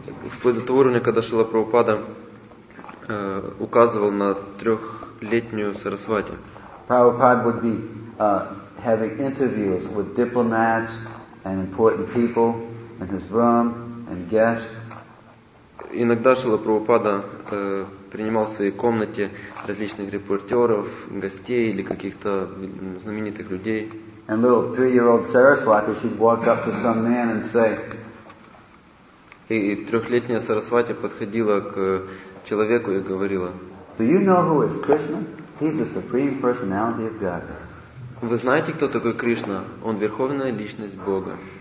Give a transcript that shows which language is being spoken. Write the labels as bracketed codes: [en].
[ru] Вплоть до того уровня, когда Шрила Прабхупада указывал на 3-летнюю Сарасвати. [en] Prabhupada would be having interviews with diplomats and important people in his room and guests. [ru] Иногда Шрила Прабхупада принимал в своей комнате различных репортеров, гостей или каких-то знаменитых людей. [en] And little 3-year-old Saraswati, she'd walk up to some man and say. [ru] И 3-летняя Сарасвати подходила к человеку и говорила. [en] Do you know who is Krishna? He's the supreme personality of God. [ru] Вы знаете, кто такой Кришна? Он верховная личность Бога.